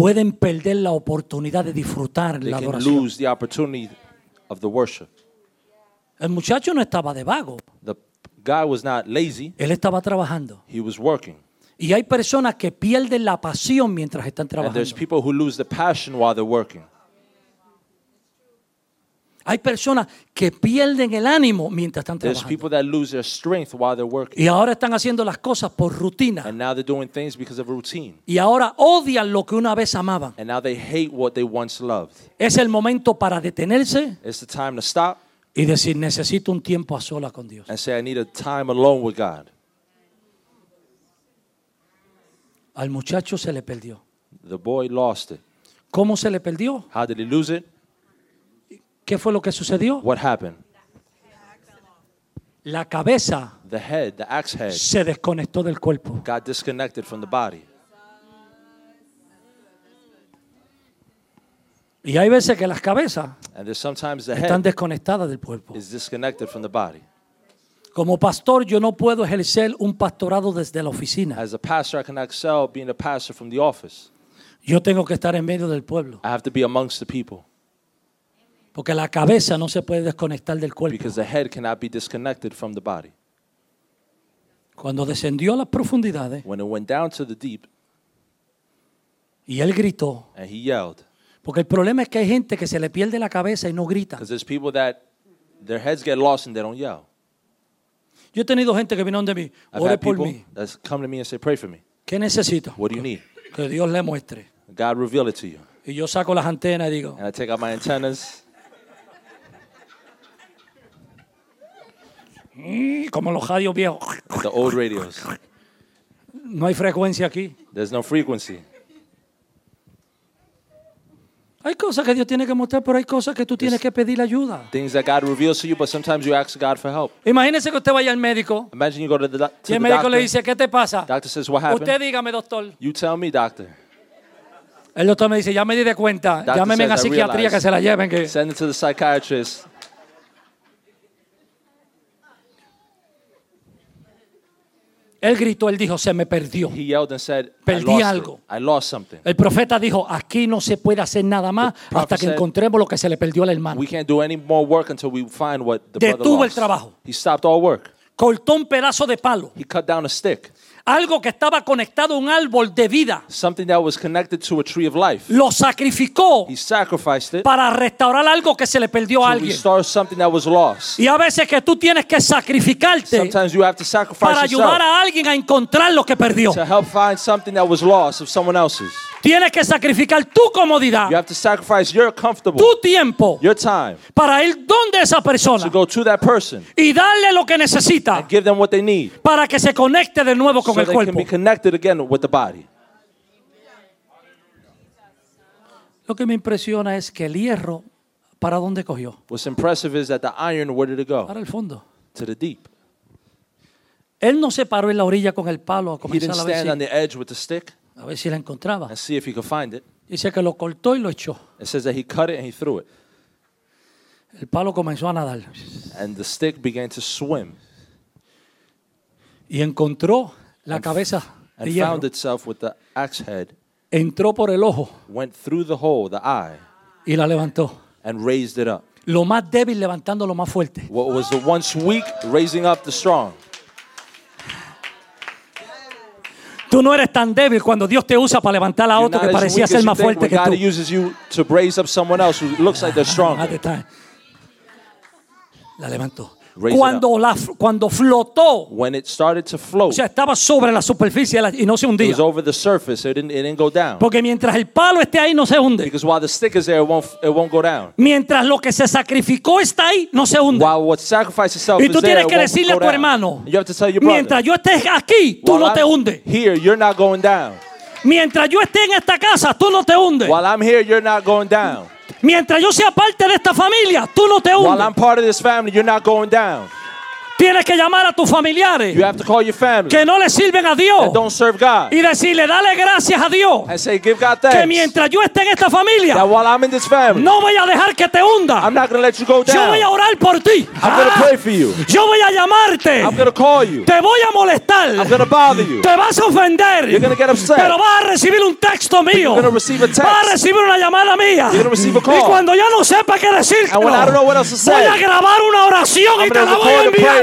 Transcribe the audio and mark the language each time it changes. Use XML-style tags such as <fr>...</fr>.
<es>Pueden perder la oportunidad de disfrutar la adoración.</es> <en>They can lose the opportunity of the worship.</en> <es>El muchacho no estaba de vago.</es> <en>The guy was not lazy.</en> <es>Él estaba trabajando.</es> <en>He was working.</en> <es>Y hay personas que pierden la pasión mientras están trabajando.</es> <en>And there's people who lose the passion while they're working.</en> <es>Hay personas que pierden el ánimo mientras están trabajando.</es> <en>There's people that lose their strength while they're working.</en> <es>Y ahora están haciendo las cosas por rutina.</es> <en>And now they're doing things because of routine.</en> <es>Y ahora odian lo que una vez amaban.</es> <en>And now they hate what they once loved.</en> <es>Es el momento para detenerse.</es> <en>It's the time to stop.</en> <es>Y decir, necesito un tiempo a solas con Dios.</es> <en>And say, I need a time alone with God.</en> <es>Al muchacho se le perdió.</es> <en>The boy lost it.</en> <es>¿Cómo se le perdió?</es> <en>How did he lose it?</en> <es>¿Qué fue lo que sucedió?</es> <en>What happened?</en> <es>La cabeza,</es> <en>the head, the axe head,</en> <es>se desconectó del cuerpo.</es> <en>Got disconnected from the body.</en> <es>Y hay veces que las cabezas,</es> <en>and there's sometimes the head,</en> <es>están desconectadas del cuerpo.</es> <en>Is disconnected from the body.</en> <es>Como pastor, yo no puedo ejercer un pastorado desde la oficina.</es> <en>As a pastor, I cannot excel being a pastor from the office.</en> <es>Yo tengo que estar en medio del pueblo.</es> <en>I have to be amongst the people.</en> <es>Porque la cabeza no se puede desconectar del cuerpo.</es> <en>Because the head cannot be disconnected from the body.</en> <es>Cuando descendió a las profundidades,</es> <en>when it went down to the deep,</en> <es>y él gritó,</es> <en>and he yelled.</en> <es>Porque el problema es que hay gente que se le pierde la cabeza y no grita.</es> <en>Because there's people that their heads get lost and they don't yell.</en> <es>Yo he tenido gente que vino de mí, ore por mí.</es> <en>That's come to me and say, pray for me.</en> <es>¿Qué necesito?</es> <en>What do you need?</en> <es>Que Dios le muestre.</es> <en>God reveal it to you.</en> <es>Y yo saco las antenas y digo,</es> <en>and I take out my antennas.</en> <es>Como los radios viejos.</es> <en>The old radios.</en> <es>No hay frecuencia aquí.</es> <en>There's no frequency.</en> <es>Hay cosas que Dios tiene que mostrar, pero hay cosas que tú tienes que pedir ayuda.</es> <en>Things that God reveals to you, but sometimes you ask God for help.</en> <es>Imagínese que usted vaya al médico.</es> <en>Imagine you go to the doctor.</en> <es>Y el médico le dice, ¿qué te pasa?</es> <en>Doctor says, what happened?</en> <es>Usted dígame, doctor.</es> <en>You tell me, doctor.</en> <es>El doctor me dice, ya me di de cuenta. Llámeme a psiquiatría que se la lleven.</es> <en>Send it to the psychiatrist.</en> <es>Él gritó, él dijo, se me perdió.</es> <en>He yelled and said,</en> <es>perdí</es> <en>I lost</en> <es>algo.</es> <en>It. I lost something.</en> <es>El profeta dijo, aquí no se puede hacer nada más hasta que encontremos lo que se le perdió al hermano.</es> <en>We can't do any more work until we find what the brother lost.</en> <es>Detuvo el trabajo.</es> <en>He stopped all work.</en> <es>Cortó un pedazo de palo.</es> <en>He cut down a stick.</en> <es>Algo que estaba conectado a un árbol de vida.</es> <en>Something that was connected to a tree of life.</en> <es>Lo sacrificó.</es> <en>He sacrificed it.</en> <es>Para restaurar algo que se le perdió a alguien.</es> <en>To restore something that was lost.</en> <es>Y a veces que tú tienes que sacrificarte.</es> <en>Sometimes you have to sacrifice</en> <es>para ayudar</es> <en>yourself</en> <es>a alguien a encontrar lo que perdió.</es> <en>To help find something that was lost of someone else's.</en> <es>Tienes que sacrificar tu comodidad.</es> <en>You have to sacrifice your comfortable.</en> <es>Tu tiempo.</es> <en>Your time.</en> <es>Para ir donde esa persona.</es> <en>To go to that person.</en> <es>Y darle lo que necesita.</es> <en>And give them what they need.</en> <es>Para que se conecte de nuevo con</es> <en>so</en> <es>el cuerpo.</es> <en>So they can be connected again with the body.</en> <es>Lo que me impresiona es que el hierro, ¿para dónde cogió?</es> <en>What's impressive is that the iron, where did it go?</en> <es>Para el fondo.</es> <en>To the deep.</en> <es>Él no se paró en la orilla con el palo a comenzar a decir.</es> <en>He didn't stand on the edge with the stick.</en> <es>A ver si la encontraba.</es> <en>And see if he could find it.</en> <es>Dice que lo cortó y lo echó.</es> <en>It says that he cut it and he threw it.</en> <es>El palo comenzó a nadar.</es> <en>And the stick began to swim.</en> <es>Y encontró la cabeza de hierro.</es> <en>And found itself with the axe head.</en> <es>Entró por el ojo.</es> <en>Went through the hole, the eye.</en> <es>Y la levantó.</es> <en>And raised it up.</en> <es>Lo más débil levantando lo más fuerte.</es> <en>What was the once weak raising up the strong.</en> <es>Tú no eres tan débil cuando Dios te usa para levantar a otro que parecía ser más fuerte que tú.</es> <en>God uses you to raise up someone else who looks like they're strong.</en> <es>La levantó. Cuando flotó.</es> <en>When it started to float.</en> <es>O sea, estaba sobre la superficie y no se hundía.</es> <en>It was over the surface. It didn't go down.</en> <es>Porque mientras el palo esté ahí, no se hunde.</es> <en>Because while the stick is there, it won't go down.</en> <es>Mientras lo que se sacrificó está ahí, no se hunde.</es> <en>While what sacrificed itself is there,</en> <es>y tú tienes</es> <en>there,</en> <es>que decirle a tu</es> <en>down</en> <es>hermano.</es> <en>You have to tell your brother.</en> <es>Mientras yo esté aquí, tú</es> <en>while</en> <es>no te hunde.</es> <en>Here, you're not going down.</en> <es>Mientras yo esté en esta casa, tú no te hunde.</es> <en>While I'm here, you're not going down.</en> <es>Mientras yo sea parte de esta familia, tú no te hundes.</es> <en>While I'm part of this family, you're not going down.</en> <es>Tienes que llamar a tus familiares.</es> <en>You have to call your family.</en> <es>Que no le sirven a Dios.</es> <en>That don't serve God.</en> <es>Y decirle, dale gracias a Dios.</es> <en>And say, give God thanks.</en> <es>Que mientras yo esté en esta familia,</es> <en>that while I'm in this family,</en> <es>no voy a dejar que te hunda.</es> <en>I'm not going to let you go down.</en> <es>Yo voy a orar por ti.</es> <en>I'm going to pray for you.</en> <es>Yo voy a llamarte.</es> <en>I'm going to call you.</en> <es>Te voy a molestar.</es> <en>I'm going to bother you.</en> <es>Te vas a ofender.</es> <en>You're going to get upset.</en> <es>Pero vas a recibir un texto mío.</es> <en>You're going to receive a text.</en> <es>Vas a recibir una llamada mía.</es> <en>You're going to receive a call.</en> <es>Y cuando ya no sepa qué decir,</es> <en>and when I don't know what else to say,</en> <es>voy a grabar una oración y te la voy a enviar.</es>